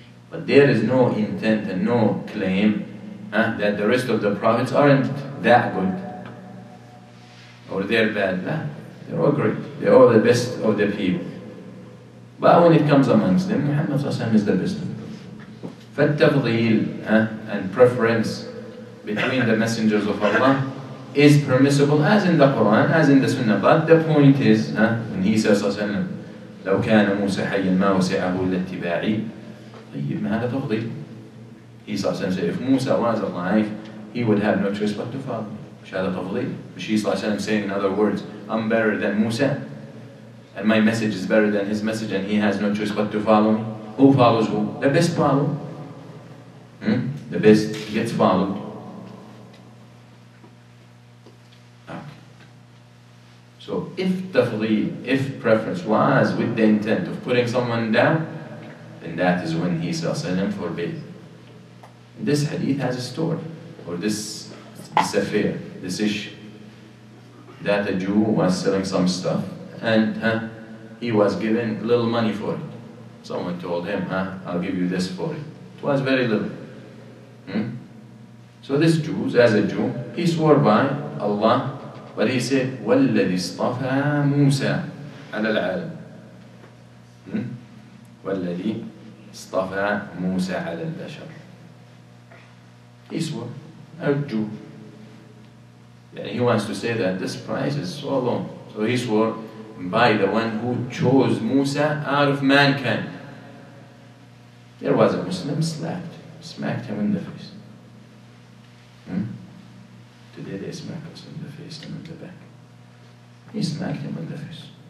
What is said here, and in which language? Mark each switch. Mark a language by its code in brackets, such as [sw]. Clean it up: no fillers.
[en] But there is no intent and no claim that the rest of the prophets aren't that good. Or they're bad. No. They're all great. They're all the best of the people. But when it comes amongst them, Muhammad [ar] صلى الله عليه وسلم [en] is the best of them. فالتفضيل and preference between the messengers of Allah is permissible as in the Quran, as in the Sunnah. But the point is, when he says, [ar] لو كان موسى حيا ما وسعه إلا اتباعي, طيب ما هذا تفضيل. [en] He says, if Musa was alive, he would have no choice but to follow. [ar] مش هذا تفضيل. مش [en] he says, saying in other words, I'm better than Musa, and my message is better than his message, and he has no choice but to follow me. Who follows who? The best follow. The best gets followed. So if tafdeel, if preference was with the intent of putting someone down, then that is when he sallallahu alayhi wa sallam forbid. This hadith has a story, or this affair, this issue, that a Jew was selling some stuff, and he was given little money for it. Someone told him, I'll give you this for it. It was very little. So this Jew, as a Jew, he swore by Allah, but he said, [ar] وَالَّذِي اصْطَفَى مُوسَى عَلَى الْعَالَمِ. وَالَّذِي اصْطَفَى مُوسَى عَلَى الْبَشَرِ. [en] He swore, a Jew. he wants to say that this prize is so long. So he swore by the one who chose Musa out of mankind. There was a Muslim slapped, smacked him in the face. Today they smack us in the face and in the back. He smacked him in the face.